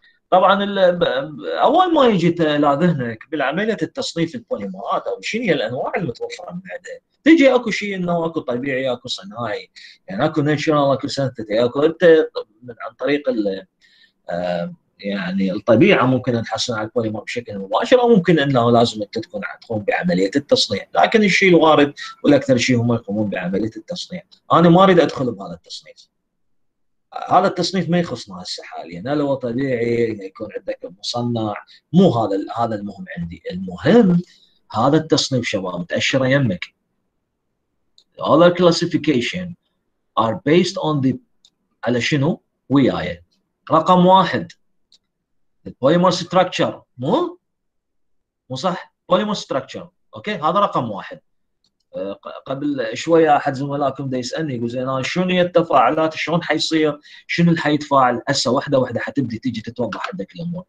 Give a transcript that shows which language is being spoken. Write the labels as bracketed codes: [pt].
[ar] طبعا اول ما يجي الى ذهنك بالعمليه التصنيف البوليمرات او شنو هي الانواع المتوفره من عندها، تجي اكو شيء انه اكو طبيعي اكو صناعي، يعني اكو ناتشرال اكو سنتيتي اكو، انت من عن طريق يعني الطبيعه ممكن نحصل على البوليمر بشكل مباشر، او ممكن انه لازم انت تكون تقوم بعمليه التصنيع، لكن الشيء الوارد والاكثر شيء هم يقومون بعمليه التصنيع. انا ما اريد ادخل بهذا التصنيف. هذا التصنيف ما يخصنا هسه حاليا، يعني لو طبيعي يكون عندك مصنع، مو هذا المهم عندي، المهم هذا التصنيف شباب متاشره يمك. [en] Other classification are based on the [ar] على شنو؟ وياي. رقم واحد البوليمر ستراكشر، مو صح؟ بوليمر ستراكشر، اوكي؟ هذا رقم واحد. قبل شويه احد زملائكم دا يسالني يقول زين انا شنو هي التفاعلات؟ شلون حيصير؟ شنو اللي حيتفاعل؟ هسه واحده واحده حتبدي تيجي تتوضح عندك الامور.